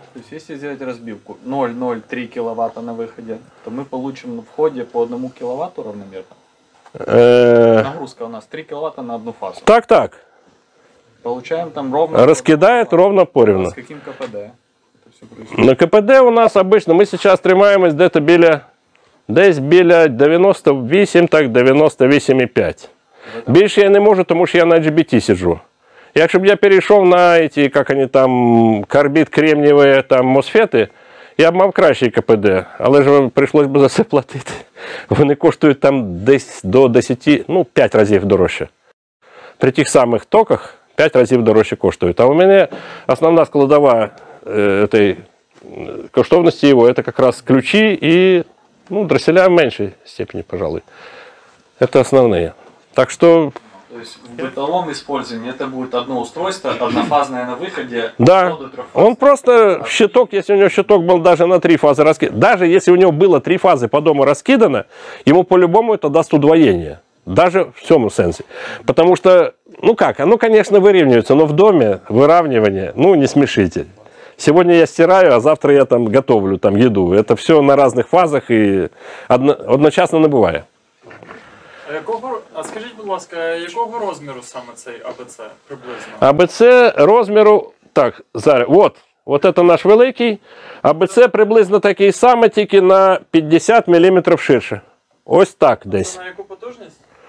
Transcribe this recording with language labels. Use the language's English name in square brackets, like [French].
[Russian] То есть, если сделать разбивку 0,03 кВт на выходе, то мы получим на входе по 1 кВт равномерно. Нагрузка у нас 3 кВт на одну фазу. Так, так. Получаем там ровно... Раскидает ровно поревно. С каким КПД? На КПД у нас обычно, мы сейчас тримаемость где-то біля [Ukrainian] десь біля 98, так 98,5. Більше я не можу, тому що я на HBT сиджу. Якщо б я перейшов на ці, як вони там, карбід кремнієві там мосфети, я б мав кращий КПД, але ж прийшлось би за це платити. Вони коштують там десь до 10, ну, 5 разів дорожче. При тих самих токах 5 разів дорожче коштують. А у мене основна складова цієї коштовності його, це якраз ключі і, ну, дроселя в меншій степені, пожалуй. Це основне. Так що... [Russian] То есть в бытовом использовании это будет одно устройство, однофазное на выходе. Да, он просто щиток, если у него щиток был даже на три фазы раскидан, даже если у него было три фазы по дому раскидано, ему по-любому это даст удвоение, даже в всем сенсе. Потому что, ну как, оно, конечно, выравнивается, но в доме выравнивание, ну не смешите. Сегодня я стираю, а завтра я там готовлю там еду. Это все на разных фазах и одночасно не бывает. [Ukrainian] А скажіть, будь ласка, якого розміру саме цей АБЦ приблизно? АБЦ розміру, так, зараз, от, от це наш великий, АБЦ приблизно такий самий, тільки на 50 мм ширше. Ось так десь. А на яку потужність?